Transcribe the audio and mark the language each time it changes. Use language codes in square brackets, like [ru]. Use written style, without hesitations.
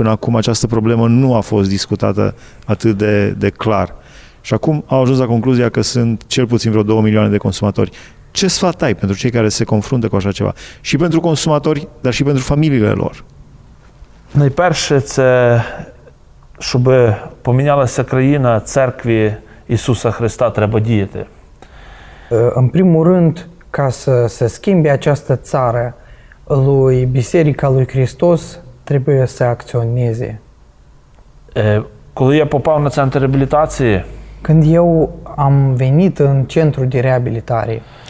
[ro] Până acum această problemă nu a fost discutată atât de clar. Și acum au ajuns la concluzia că sunt cel puțin vreo 2 milioane de consumatori. Ce sfat ai pentru cei care se confruntă cu așa ceva? Și pentru consumatori, dar și pentru familiile lor. [uk] Найперше це щоб помінялася країна, церкві Ісуса Христа треба діяти. [ro] În primul rând, ca să se schimbe această țară, lui Biserica lui Hristos trebuie să acționeze. [uk] Коли я попав на центр реабілітації, [ro] când eu am venit în centru de reabilitare.